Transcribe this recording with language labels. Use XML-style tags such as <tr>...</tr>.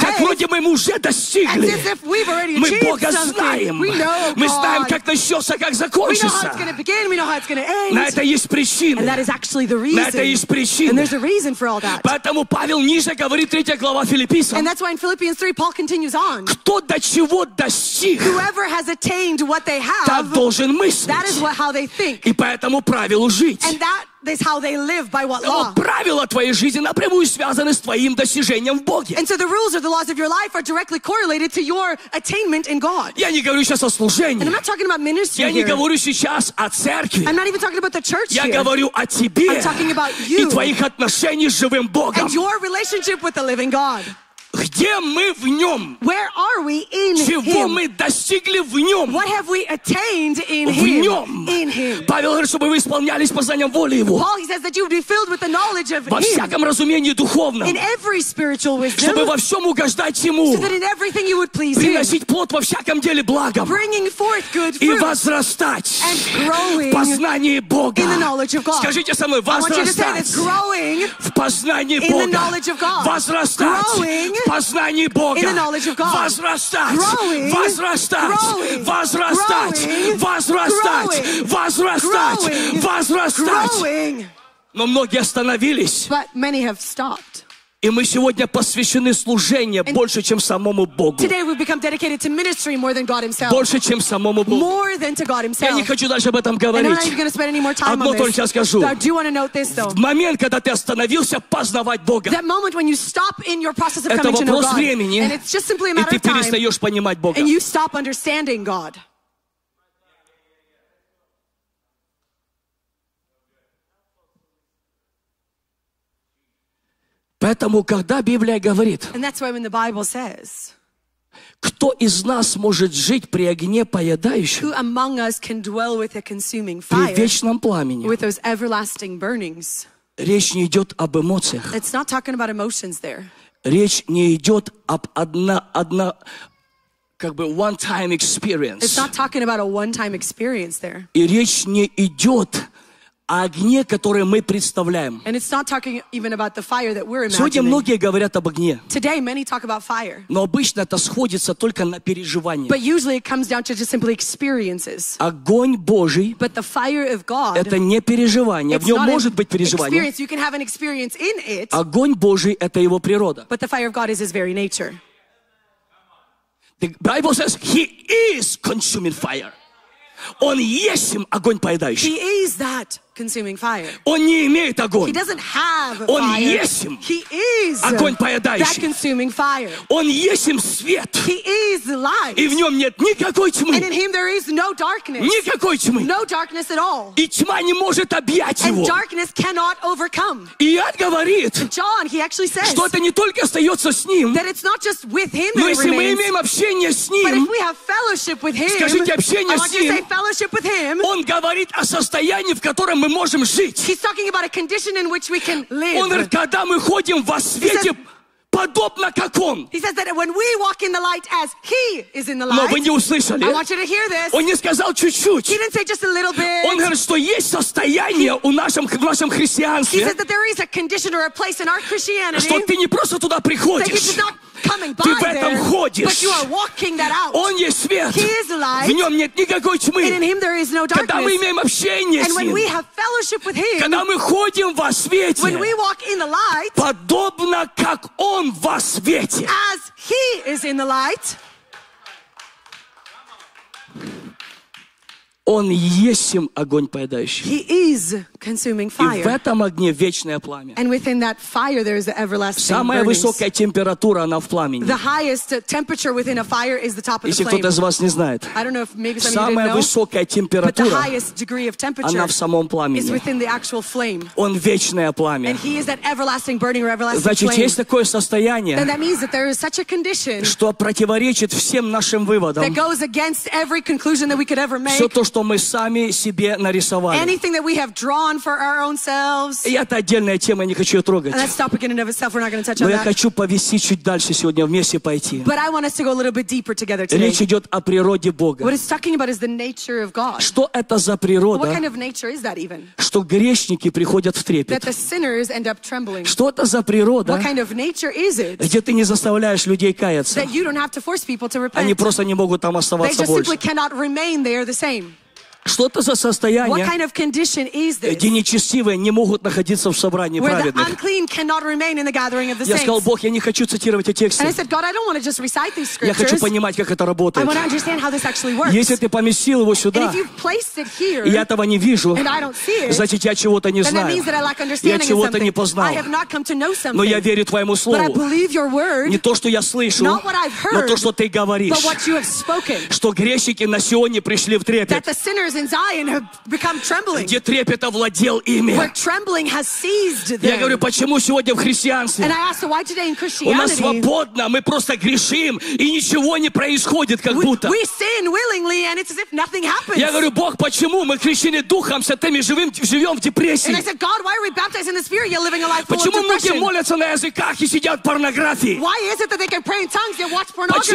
<ru>Как вроде мы уже достигли.</ru> <en>As if we've already achieved something.</en> <ru>Мы Бога</ru> <en>something.</en> <ru>Знаем.</ru> <en>We know God.</en> <ru>Мы знаем, как начнется, как закончится.</ru> <en>We know how it's going to begin. We know how it's going to end.</en> <ru>На это есть причина.</ru> <en>And that is actually the reason.</en> <ru>На это есть причина.</ru> <en>And there's a reason for all that.</en> <ru>Поэтому Павел ниже говорит 3 глава Филиппийцам.</ru> <en>And that's why in Philippians 3, Paul continues on.</en> <ru>Кто до чего достиг,</ru> <en>whoever has attained what they have,</en> <ru>так должен мыслить.</ru> <en>That is how they think.</en> <ru>И поэтому правилу жить.</ru> <en>And that is how they live by what law.</en> <ru>Правила твоей жизни напрямую связаны с твоим достижением в Боге.</ru> <en>And so the rules or the laws of your life are directly correlated to your attainment in God.</en> <ru>Я не говорю сейчас о служении.</ru> <en>And I'm not talking about ministry.</en> <ru>Я не говорю сейчас о церкви.</ru> <en>I'm not even talking about the church.</en> <ru>Я говорю о тебе.</ru> <en>I'm talking about you.</en> <ru>И твоих отношений с живым Богом.</ru> <en>And your relationship with the living God.</en> <ru>Где мы в нем?</ru> <en>Where are we in</en> <ru>чего</ru> <en>him?</en> <ru>Мы достигли в нем?</ru> <en>What have we attained in</en> <ru>в нем?</ru> <en>Him? In him.</en> <ru>Павел говорит, чтобы вы исполнялись познанием воли его.</ru> <en>Paul, he says that you would be filled with the knowledge of</en> <ru>во всяком</ru> <en>him.</en> <ru>Разумении духовном.</ru> <en>In every spiritual wisdom.</en> <ru>Чтобы во всем угождать ему.</ru> <en>So that in everything you would please</en> <ru>приносить</ru> <en>him.</en> <ru>Плод во всяком деле благом.</ru> <en>Bringing forth good fruit.</en> <ru>И возрастать.</ru> <en>And growing.</en> <ru>В познании Бога.</ru> <en>In the knowledge of God.</en> <ru>Скажите со мной, возрастать.</ru> <en>I want you to say this, growing.</en> <ru>В познании</ru> <en>in</en> <ru>Бога.</ru> <en>In the knowledge of God.</en> <ru>Возрастать.</ru> <en>Growing.</en> <ru>В познании Бога.</ru> <en>In the knowledge of God.</en> <ru>Возрастать.</ru> <en>Growing.</en> <ru>Возрастать.</ru> <en>Growing.</en> <ru>Возрастать.</ru> <en>Growing.</en> <ru>Возрастать.</ru> <en>Growing.</en> <ru>Возрастать.</ru> <en>Growing.</en> <ru>Возрастать.</ru> <en>Growing.</en> <ru>Но многие остановились.</ru> <en>But many have stopped.</en> <ru>И мы сегодня посвящены служению</ru> <en>and</en> <ru>больше, чем самому Богу.</ru> <en>Today we've become dedicated to ministry more than God himself.</en> <ru>Больше, чем самому Богу.</ru> <en>More than to God himself.</en> <ru>Я не хочу дальше об этом говорить.</ru> <en>And I'm not going to spend any more time</en> <ru>одно</ru> <en>on this.</en> <ru>Одно только скажу.</ru> <en>But I do want to note this, though.</en> <ru>В момент, когда ты остановился познавать Бога,</ru> <en>that moment when you stop in your process of coming to know</en> <ru>это вопрос времени,</ru> <en>and it's just simply a matter</en> <ru>и ты перестаешь понимать Бога.</ru> <en>And you stop understanding God.</en> <ru>Поэтому, когда Библия говорит,</ru> <en>and that's why when the Bible says,</en> <ru>кто из нас может жить при огне поедающем,</ru> <en>who among us can dwell with a consuming fire,</en> <ru>при вечном пламени,</ru> <en>with those everlasting burnings,</en> <ru>речь не идет об эмоциях.</ru> <en>It's not talking about emotions there.</en> <ru>Речь не идет об одна как бы</ru> <en>one-time experience. It's not talking about a one-time experience there.</en> <ru>И речь не идет о огне, который мы представляем.</ru> <en>And it's not talking even about the fire that we're imagining.</en> <ru>Сегодня многие говорят об огне.</ru> <en>Today many talk about fire.</en> <ru>Но обычно это сходится только на переживаниях.</ru> <en>But usually it comes down to just simply experiences.</en> <ru>Огонь Божий.</ru> <en>But the fire of God.</en> <ru>Это не переживание. В нем может быть переживание.</ru> <en>Experience. You can have an experience in it.</en> <ru>Огонь Божий это его природа.</ru> <en>But the fire of God is his very nature. The Bible says he is consuming fire.</en> <ru>Он есть огонь поедающий.</ru> <en>He is that consuming fire.</en> <ru>Он не имеет огонь.</ru> <en>He doesn't have fire.</en> <ru>Он есим.</ru> <en>He is</en> <ru>огонь поедающий.</ru> <en>That consuming fire.</en> <ru>Он есим свет.</ru> <en>He is light.</en> <ru>И в нем нет никакой тьмы.</ru> <en>And in him there is no darkness.</en> <ru>Никакой тьмы.</ru> <en>No darkness at all.</en> <ru>И тьма не может объять его.</ru> <en>And darkness cannot overcome.</en> <ru>И Иоанн говорит,</ru> <en>John, he actually says,</en> <ru>что это не только остается с ним,</ru> <en>that it's not just with him</en> <ru>но если мы имеем общение с ним,</ru> <en>but if we have fellowship with him,</en> <ru>скажите общение с ним,</ru> <en>I want you to say fellowship with him,</en> <ru>он говорит о состоянии, в котором мы можем жить.</ru> <en>He's talking about a condition in which we can live.</en> <ru>Он говорит, когда мы ходим во свете, подобно как он.</ru> <en>He says that when we walk in the light as he is in the light.</en> <ru>Но вы не услышали.</ru> <en>I want you to hear this.</en> <ru>Он не сказал чуть-чуть.</ru> <en>He didn't say just a little bit.</en> <ru>Он говорит, что есть состояние у нашем, в нашем христианстве.</ru> <en>He says that there is a condition or a place in our Christianity.</en> <ru>Что ты не просто туда приходишь.</ru> <en>That you did not coming by</en> <ru>ты в этом</ru> <en>there,</en> <ru>ходишь.</ru> <en>But you are walking that out.</en> <ru>Он есть свет.</ru> <en>He is light.</en> <ru>В нем нет никакой тьмы.</ru> <en>And in him there is no darkness.</en> <ru>Когда мы имеем общение с ним.</ru> <en>And when we have fellowship with him.</en> <ru>Когда мы ходим во свете.</ru> <en>When we walk in the light.</en> <ru>Подобно как он.</ru> <en>As he is in the light,</en> <ru>он есим огонь поедающий.</ru> <en>He is consuming fire.</en> <ru>И в этом огне вечное пламя.</ru> <en>And within that fire there is the everlasting</en> <ru>самая</ru> <en>burnings.</en> <ru>Высокая температура она в пламени.</ru> <en>The highest temperature within a fire is the top of the</en> <ru>если</ru> <en>flame.</en> <ru>Кто-то из вас не знает.</ru> <en>I don't know if maybe some</en> <ru>самая</ru> <en>didn't</en> <ru>высокая</ru> <en>know,</en> <ru>температура</ru> <en>but the highest degree of temperature</en> <ru>она в самом пламени.</ru> <en>Is within the actual flame.</en> <ru>Он вечное пламя.</ru> <en>And he is that everlasting burning or everlasting</en> <ru>значит,</ru> <en>flame.</en> <ru>Есть такое состояние</ru> <en>then that means that there is such a condition</en> <ru>что противоречит всем нашим выводам.</ru> <en>That goes against every conclusion that we could ever make.</en> <ru>Все то, что мы сами себе нарисовали.</ru> <en>Anything that we have drawn for our own selves.</en> <ru>И это отдельная тема, я не хочу ее трогать.</ru> <en>And that's topic in and of itself. We're not going to touch</en> <ru>но</ru> <en>on that.</en> <ru>Но я хочу повести чуть дальше сегодня вместе пойти.</ru> <en>But I want us to go a little bit deeper together today.</en> <ru>Речь идет о природе Бога.</ru> <en>What it's talking about is the nature of God.</en> <ru>Что это за природа?</ru> <en>What kind of nature is that even?</en> <ru>Что грешники приходят в трепет?</ru> <en>That the sinners end up trembling.</en> <ru>Что это за природа?</ru> <en>What kind of nature is it?</en> <ru>Где ты не заставляешь людей каяться?</ru> <en>That you don't have to force people to repent.</en> <ru>Они просто не могут там оставаться больше.</ru> <en>They just simply cannot remain there the same.</en> <ru>Что это за состояние,</ru> <en>what kind of condition is this?</en> <ru>Где нечестивые не могут находиться в собрании праведных? Я сказал, Бог, я не хочу цитировать эти тексты.</ru> <en>And I said, God, I don't want to just recite these scriptures.</en> <ru>Я хочу понимать, как это работает.</ru> <en>I want to understand how this actually works.</en> <ru>Если ты поместил его сюда,</ru> <en>and if you've placed it here,</en> <ru>и я этого не вижу,</ru> <en>and I don't see it,</en> <ru>значит, я чего-то не знаю.</ru> <en>Then that means that I lack understanding.</en> <ru>Я чего-то не познал.</ru> <en>I have not come to know something.</en> <ru>Но я верю твоему слову.</ru> <en>But I believe your word,</en> <ru>не то, что я слышу,</ru> <en>not what I've heard,</en> <ru>но то, что ты говоришь.</ru> <en>But what you have spoken,</en> <ru>что грешники на Сионе пришли в трепет.</ru> <en>That the sinners in Zion have become trembling.</en> <ru>Где трепет овладел ими.</ru> <en>Where trembling has seized them.</en> <ru>Я говорю, почему сегодня в христианстве?</ru> <en>And I ask, so why today in Christianity?</en> <ru>У нас свободно, мы просто грешим, и ничего не происходит, как будто.</ru> <en>We sin willingly, and it's as if nothing happens.</en> <ru>Я говорю, Бог, почему мы крещены духом, святыми живым, живем в депрессии?</ru> <en>And I said, God, why are we baptized in the Spirit, yet living a life full</en> <ru>Почему многие молятся на языках и сидят в порнографии?</ru> <en>Why is it that they can pray in tongues yet watch pornography?</en>